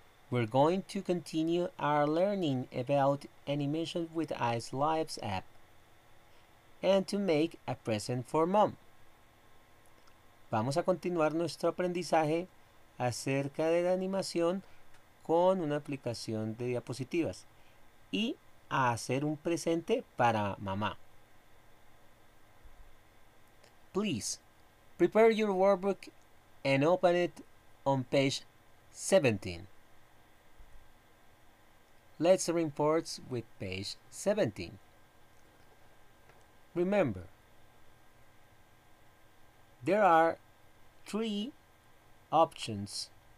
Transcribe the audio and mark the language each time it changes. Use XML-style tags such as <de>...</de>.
<en>We're going to continue our learning about animation with Ice Lives app and to make a present for mom.</en> <es>Vamos a continuar nuestro aprendizaje acerca de la animación con una aplicación de diapositivas y a hacer un presente para mamá.</es> <en>Please, prepare your workbook and open it on page 17. Let's reinforce with page 17. Remember, there are three options.</en>